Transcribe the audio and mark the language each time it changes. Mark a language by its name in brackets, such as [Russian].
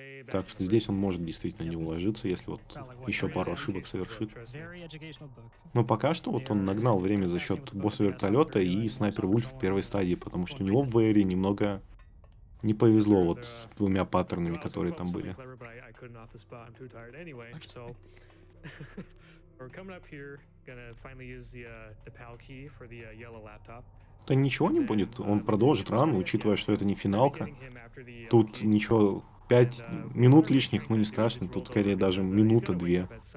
[Russian] Так что здесь он может действительно не уложиться, если вот еще пару ошибок совершит. Но пока что вот он нагнал время за счет босса вертолета и снайпер Вульф в первой стадии, потому что у него в ВР немного не повезло вот с двумя паттернами, которые там были. [English] Off the spot. I'm too tired anyway, so we're coming up here, gonna finally use the PAL key for the yellow laptop. [Russian] Да ничего не будет, он продолжит рану, учитывая, что это не финалка. Тут ничего, 5 минут лишних, ну не страшно, тут скорее даже минута две.